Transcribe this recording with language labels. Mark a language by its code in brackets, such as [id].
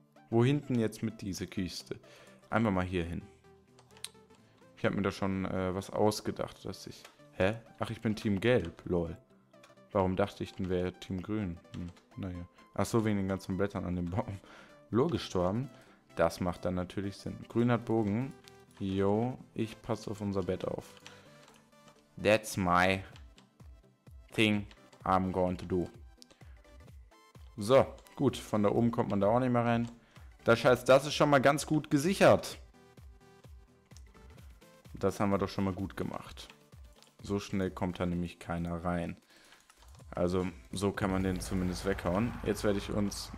[de] Wo hinten jetzt mit dieser Kiste? Einfach mal hier hin. Ich habe mir da schon was ausgedacht, dass ich... Hä? Ach, ich bin Team Gelb, lol. Warum dachte ich, denn wäre Team Grün? Hm, naja. Ach so, wegen den ganzen Blättern an dem Baum. Lur gestorben. Das macht dann natürlich Sinn. Grün hat Bogen. Yo, ich passe auf unser Bett auf. [en] That's my thing I'm going to do. [de] So, gut. Von da oben kommt man da auch nicht mehr rein. Das heißt, das ist schon mal ganz gut gesichert. Das haben wir doch schon mal gut gemacht. So schnell kommt da nämlich keiner rein. Also, so kann man den zumindest weghauen. Jetzt werde ich uns...